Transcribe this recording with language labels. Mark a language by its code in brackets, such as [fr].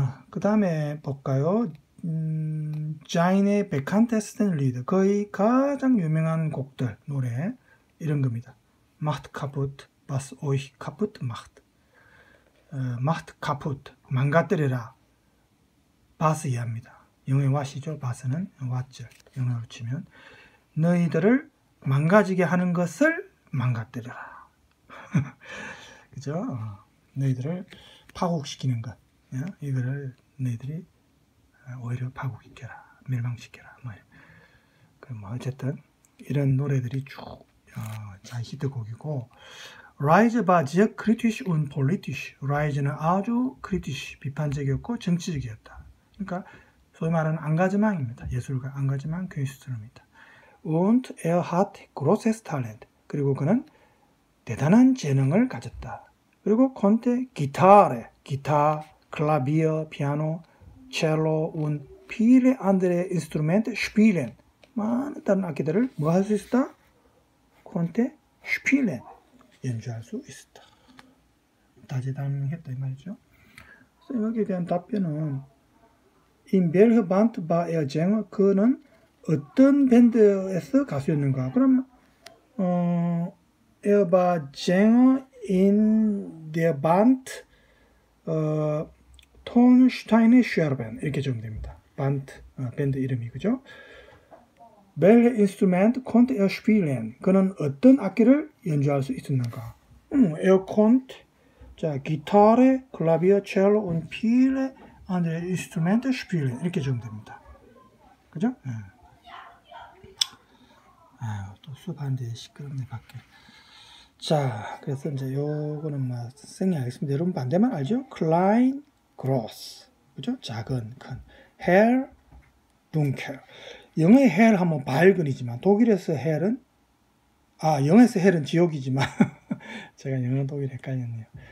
[ko] 그 다음에 볼까요? 자인의 베칸테스텐 리드 거의 가장 유명한 곡들 노래 이런 겁니다. [de] Macht kaputt, was euch kaputt macht. Macht kaputt, [ko] 망가뜨려라. Was 이해합니다. 영어의 was이죠. Was는 what죠. 영어로 치면 너희들을 망가지게 하는 것을 망가뜨려라. 그죠? 너희들을 파국시키는 것. 이거를 너희들이 오히려 파국시켜라. 멸망시켜라. 뭐 어쨌든 이런 노래들이 쭉 자, 히트곡이고 [de] Rise war sehr kritisch und politisch. [ko] Rise는 아주 kritisch, 비판적이었고 정치적이었다. 그러니까 소위 말하는 앙가지망입니다. 예술가 앙가지망 퀸스트러입니다. [de] Und er hat großes Talent. [ko] 그리고 그는 대단한 재능을 가졌다. 그리고 [de] konnte Gitarre, Gitarre, Klavier, Piano, Cello und viele andere Instrumente spielen. [ko] 많은 다른 악기들을 뭐 할 수 있었다? [de] Konnte spielen, [ko] 연주할 수 있었다. 다재다능했다 이 말이죠. 그래서 여기에 대한 답변은 In welcher Band war er Sänger? 그는 어떤 밴드에서 가수였는가? 그러면 [de] er war Sänger in der Band Tonsteine Scherben [ko] 이렇게 적으면 됩니다. Band, 밴드 이름이 그죠? [de] Welche Instrument konnte er spielen? [ko] 그는 어떤 악기를 연주할 수 있었는가? [de] Er konnte, [ko] 자, [de] Gitarre, Klavier, Cello und viele andere Instrumente spielen. [ko] 이렇게 적으면 됩니다. 그죠? 네. 아, 또 수업하는데 시끄럽네, 밖에. 자, 그래서 이제 요거는 뭐, 선생님이 알겠습니다. 여러분 반대만 알죠? [de] Klein, Groß. [ko] 그죠? 작은, 큰. [de] Hell, Dunkel. [ko] 영어의 헬 하면 밝은이지만 독일에서 헬은 아 영어에서 헬은 지옥이지만 제가 영어 독일 헷갈렸네요.